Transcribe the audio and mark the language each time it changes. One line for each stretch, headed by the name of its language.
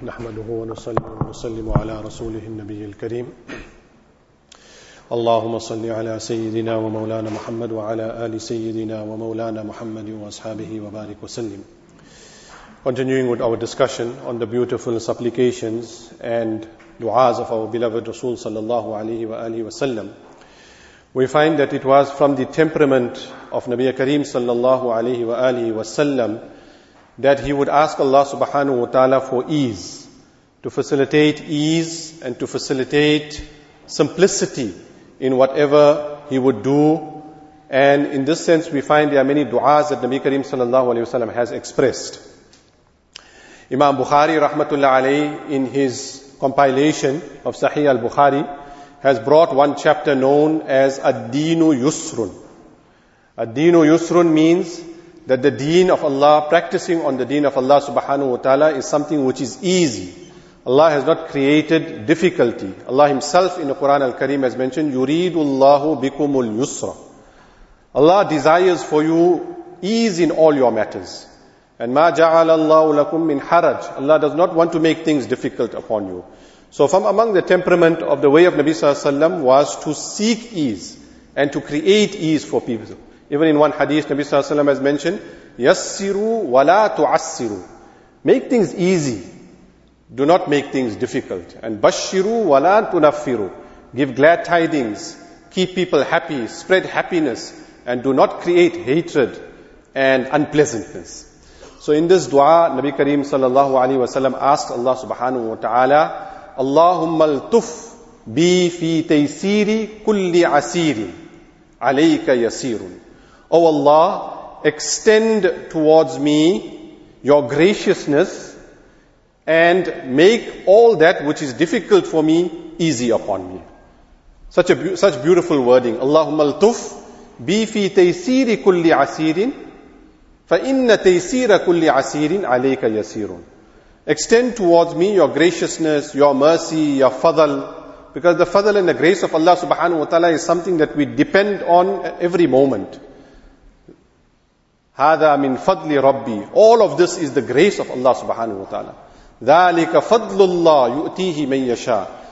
Arabic: نحمده ونسلم على رسوله النبي الكريم. اللهم صل على سيدنا ومولانا محمد وعلى آل سيدنا ومولانا محمد وأصحابه وبارك وسلم.
English: Continuing with our discussion on the beautiful supplications and du'as of our beloved Rasul sallallahu alayhi wa alihi wa sallam, we find that it was from the temperament of Nabi Kareem sallallahu alayhi wa alihi wa sallam that he would ask Allah subhanahu wa ta'ala for ease, to facilitate ease and to facilitate simplicity in whatever he would do. And in this sense, we find there are many du'as that Nabi Kareem sallallahu alayhi wa sallam has expressed. Imam Bukhari rahmatullah alayhi, in his compilation of Sahih al-Bukhari, has brought one chapter known as Ad-Dinu Yusrun. Ad-Dinu Yusrun means that the deen of Allah, practicing on the deen of Allah subhanahu wa ta'ala, is something which is easy. Allah has not created difficulty. Allah himself in the Quran al-Kareem has mentioned,
Arabic: يُرِيدُ اللَّهُ بِكُمُ الْيُسْرَ.
English: Allah desires for you ease in all your matters. And
Arabic: مَا جَعَلَ اللَّهُ لَكُم مِّنْ حَرَجٍ.
English: Allah does not want to make things difficult upon you. So from among the temperament of the way of Nabi sallallahu alayhi wa sallam was to seek ease and to create ease for people. Even in one hadith, Nabi sallallahu alayhi wa sallam has mentioned,
Arabic: يَسِّرُوا وَلَا تُعَسِّرُوا.
English: Make things easy. Do not make things difficult. And
Arabic: بَشِّرُوا وَلَا تُنَفِّرُوا.
English: Give glad tidings. Keep people happy. Spread happiness. And do not create hatred and unpleasantness. So in this dua, Nabi Kareem sallallahu alayhi wa sallam asked Allah subhanahu wa ta'ala,
Arabic: اللهم التف بي في تيسيري كل عسيري عليك يسير.
English: O Allah, extend towards me your graciousness and make all that which is difficult for me easy upon me. Such beautiful wording.
Arabic: اللهم التف بي في تيسيري كل عسيرين فإن تيسير كل عسيرين عليك يسيرون.
English: Extend towards me your graciousness, your mercy, your fadl. Because the fadl and the grace of Allah subhanahu wa ta'ala is something that we depend on at every moment.
Arabic: هَذَا مِنْ فَضْلِ رَبِّي.
English: All of this is the grace of Allah subhanahu wa ta'ala.
Arabic: ذَلِكَ فَضْلُ اللَّهِ يُؤْتِيهِ مَنْ يَشَاء.